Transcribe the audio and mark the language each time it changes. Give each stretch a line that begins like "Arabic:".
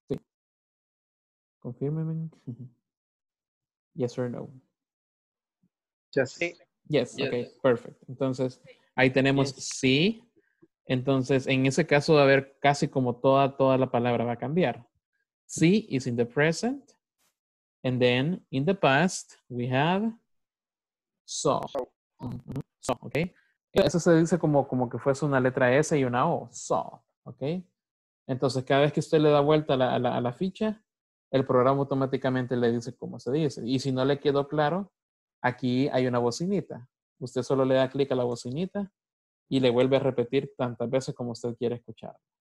Spanish: ¿Sí? Confírmeme.
English: Yes or no. Yes.
Spanish: Yes, ok, perfecto. Entonces, ahí tenemos yes. Sí. Entonces, en ese caso va a haber casi como toda la palabra va a cambiar.
English: Sí is in the present. And then, in the past, we have saw. Mm-hmm. So, ok.
Spanish: Eso se dice como que fuese una letra S y una O. So, ¿ok? Entonces, cada vez que usted le da vuelta a la ficha, el programa automáticamente le dice cómo se dice. Y si no le quedó claro, aquí hay una bocinita. Usted solo le da clic a la bocinita y le vuelve a repetir tantas veces como usted quiere escuchar.